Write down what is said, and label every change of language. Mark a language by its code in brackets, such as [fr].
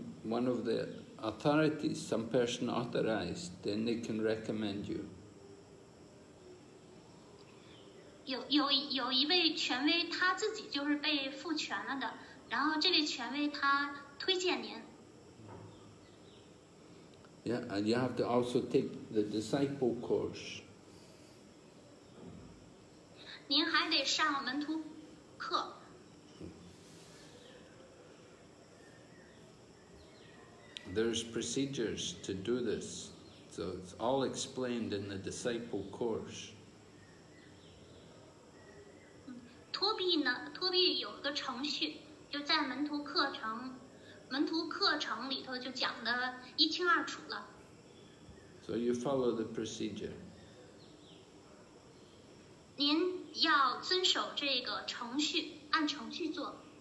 [en] one of the authorities, some person authorized, then they can recommend you. [zh] 有一位权威，他自己就是被赋权了的，然后这位权威他推荐您。 [en] Yeah, and you have to also take the disciple course. [zh] 您还得上门徒课。 [en] There's procedures to do this, so it's all explained in the disciple course. [zh] 托比有个程序，就在门徒课程里头就讲得一清二楚了。 [en] So you follow the procedure. [zh] 您要遵守这个程序，按程序做。